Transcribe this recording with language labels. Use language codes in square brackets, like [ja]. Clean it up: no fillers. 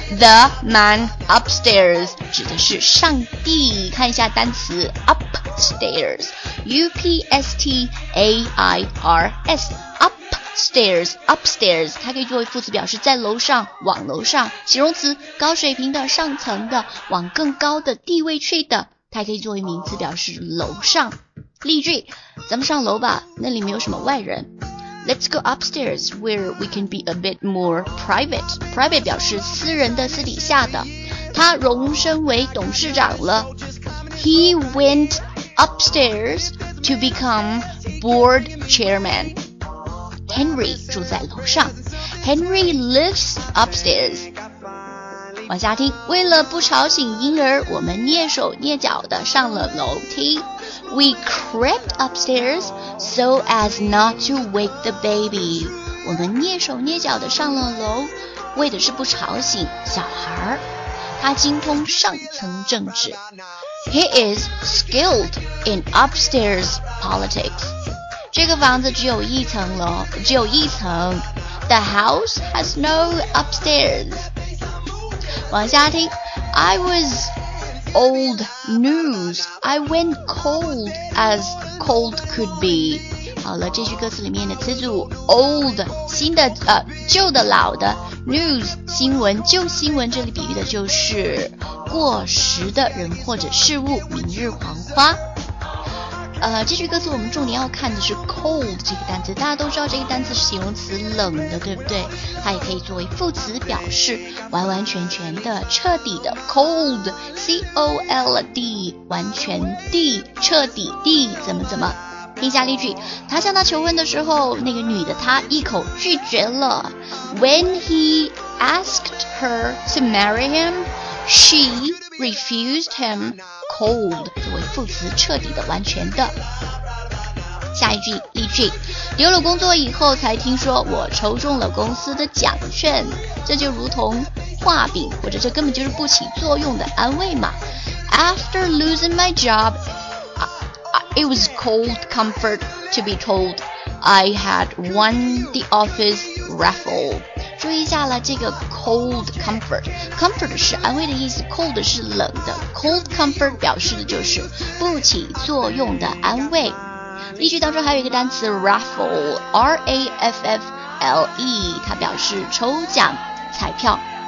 [en] The man upstairs [zh] 指的是上帝。看一下单词 upstairs, U-P-S-T-A-I-R-S, upstairs, upstairs. 它可以作为副词表示在楼上，往楼上。形容词高水平的，上层的，往更高的地位去的。它可以作为名词表示楼上。例句，咱们上楼吧，那里没有什么外人。 [en] Let's go upstairs where we can be a bit more private. [zh] Private 表示私人的、私底下的。他荣升为董事长了。 [en] He went upstairs to become board chairman. [zh] Henry 住在楼上。 [en] Henry lives upstairs. [zh] 往下听。为了不吵醒婴儿，我们蹑手蹑脚的上了楼梯。 [en] We crept upstairs so as not to wake the baby. [zh] 我们蹑手蹑脚地上了楼，为的是不吵醒小孩。他精通上层政治。 [en] He is skilled in upstairs politics. [zh] 这个房子只有一层楼，只有一层。 [en] The house has no upstairs. [zh] 往下听。 [en] I was... Old news, I went cold as cold could be. [zh] 好了，这句歌词里面的词组 old, 新的旧的老的 news, 新闻旧新闻这里比喻的就是过时的人或者事物明日黄花。这句歌词我们重点要看的是 cold 这个单词，大家都知道这个单词是形容词冷的，对不对？它也可以作为副词表示完完全全的、彻底的 cold, C-O-L-D, 完全地、彻底地，怎么怎么。听下例句，他向他求婚的时候，那个女的他一口拒绝了。 [en] When he asked her to marry him, she refused him. [zh] Cold 作为副词，彻底的、完全的。下一句例句，丢了工作以后才听说我抽中了公司的奖券，这就如同画饼，或者这根本就是不起作用的安慰嘛。 [en] After losing my job, it was cold comfort to be told I had won the office raffle. [zh] 注意一下了，这个 cold comfort, comfort 是安慰的意思， cold 是冷的， cold comfort 表示的就是不起作用的安慰。例句当中还有一个单词 raffle, R-A-F-F-L-E, 它表示抽奖彩票。